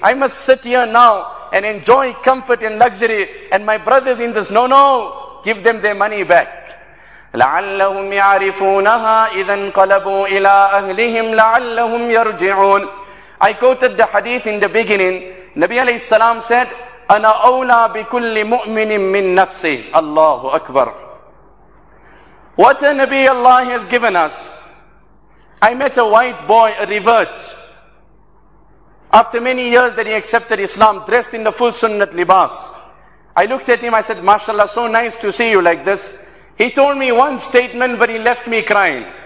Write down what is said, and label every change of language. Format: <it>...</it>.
<en>I must sit here now and enjoy comfort and luxury. And my brothers in this, no, no. Give them their money back.</en> <ar>لَعَلَّهُمْ يَعْرِفُونَهَا إِذًا قَلَبُوا إِلَىٰ أَهْلِهِمْ لَعَلَّهُمْ يَرْجِعُونَ.</ar> <en>I quoted the hadith in the beginning. Nabi alayhi salam said,</en> <ar>أَنَا أَوْلَى بِكُلِّ مُؤْمِنٍ مِّن نَفْسِهِ. الله أكبر.</ar> <en>What a Nabi Allah has given us. I met a white boy, a revert. After many years that he accepted Islam, dressed in the full sunnat libas. I looked at him, I said, MashaAllah, so nice to see you like this. He told me one statement, but he left me crying.</en>